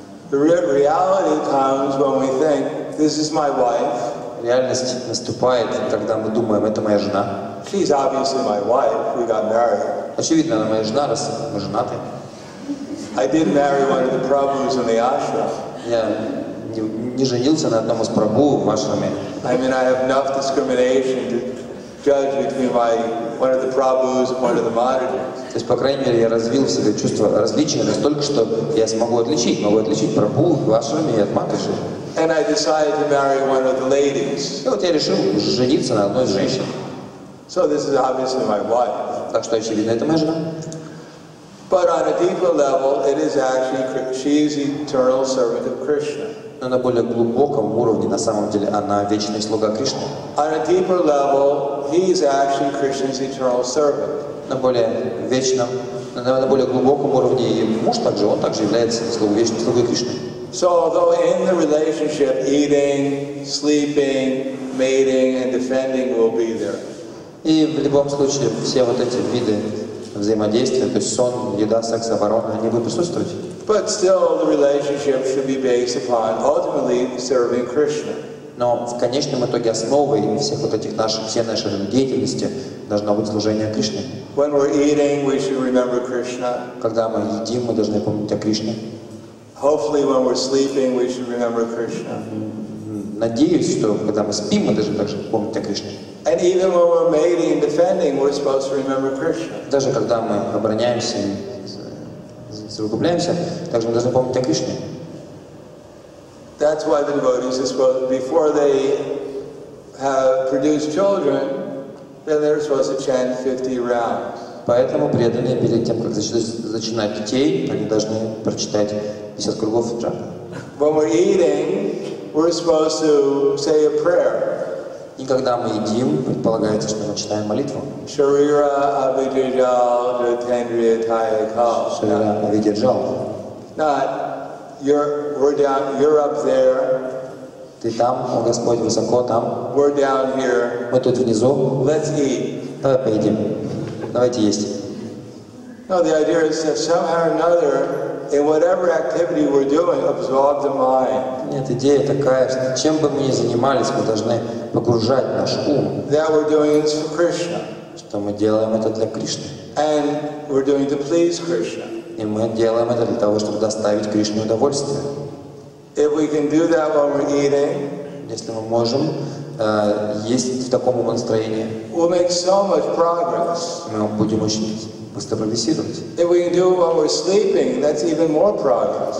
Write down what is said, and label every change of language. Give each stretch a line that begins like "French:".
English: Reality comes when we think, this is my wife.
Russian: Реальность наступает, когда мы думаем, это моя жена.
English: She's obviously my wife. We got married.
Russian: Очевидно, она моя жена, раз мы женаты.
English: I did marry one of the Prabhus in the ashram.
Russian: Я не женился на одном из Прабу в ашраме.
English: I mean, I have enough discrimination to judge between one of the Prabhus and one of the Madhavis.
Russian: То есть, по крайней мере, я развил в себе чувство различия настолько, что я смогу отличить. Могу отличить Прабу в ашраме и от Матхи.
English: And I decided to marry one of the ladies.
Russian: И вот я решил жениться на одной из женщин.
English: So this is obviously my wife.
Russian: Так что, очевидно, это моя жена.
English: But on a deeper level, it is actually she's the eternal servant of Krishna.
Russian: Но на более глубоком уровне, на самом деле, она вечный слуга Кришны.
English: On a deeper level, he is actually Krishna's eternal servant.
Russian: На более вечном, на более глубоком уровне, и муж также, он также является вечным слугой Кришны.
English: So although in the relationship, eating, sleeping, mating, and defending will be there.
Russian: И в любом случае, все вот эти виды взаимодействие, то есть сон, еда, секс, оборона, они будут присутствовать.
English: But still, the relationship should be based upon ultimately serving Krishna.
Russian: Но в конечном итоге основой всех вот этих наших, всей нашей деятельности должно быть служение Кришне.
English: When we're eating, we should remember Krishna.
Russian: Когда мы едим, мы должны помнить о Кришне.
English: Hopefully, when we're sleeping, we should remember Krishna.
Russian: Надеюсь, что когда мы спим, мы должны также помнить о Кришне.
English: And even when we're mating and defending, we're supposed to remember Krishna.
Russian: Даже когда мы обороняемся и совокупляемся, также мы должны помнить о Кришне.
English: That's why the devotees are supposed, before they have produced children, then they're supposed to chant 50 rounds.
Russian: Поэтому преданные перед тем, как зачинать детей, они должны прочитать 50 кругов джапы.
English: When we're eating, we're supposed to say a prayer.
Russian: И когда мы едим, предполагается, что мы читаем молитву.
Bangla: Sharira avijajal jatendriya thayakal. Sharira avijajal.
English: Not You're up there.
Russian: Ты там, о Господь, высоко там.
English: We're down here.
Russian: Мы тут внизу.
English: Let's eat.
Russian: Давай поедим. Давайте есть.
English: No, the idea is that somehow or another, in whatever activity we're doing, absorb the mind.
Russian: Нет, идея такая, что чем бы мы ни занимались, мы должны погружать наш ум.
English: That we're doing is for Krishna.
Russian: Что мы делаем это для Кришны.
English: And we're doing to please Krishna.
Russian: И мы делаем это для того, чтобы доставить Кришне удовольствие.
English: If we can do that while we're eating,
Russian: если мы можем есть в таком настроении,
English: we'll make so much progress.
Russian: Мы будем очень быстро прогрессировать.
English: If we can do it while we're sleeping, that's even more progress.